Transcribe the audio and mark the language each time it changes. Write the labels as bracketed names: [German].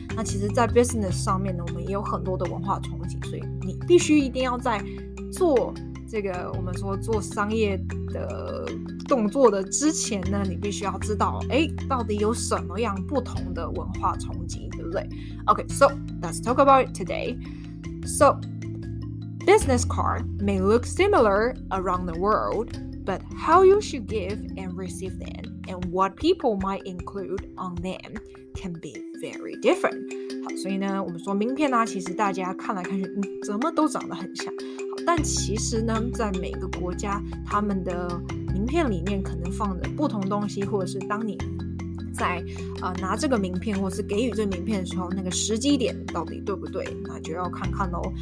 [Chinese] 那其实在 business 上面呢，我们也有很多的文化冲击，所以你必须一定要在做这个我们说做商业的动作的之前呢，你必须要知道，哎，到底有什么样不同的文化冲击，对不对？ [English] OK， so let's talk about it today. So business card may look similar around the world, but how you should give and receive them and what people might include on them can be very different. [Chinese] 好，所以呢，我们说名片呢，其实大家看来看去，怎么都长得很像。但其实呢，在每个国家，他们的名片里面可能放着不同东西，或者是当你在拿这个名片，或是给予这个名片的时候，那个时机点到底对不对，那就要看看喽。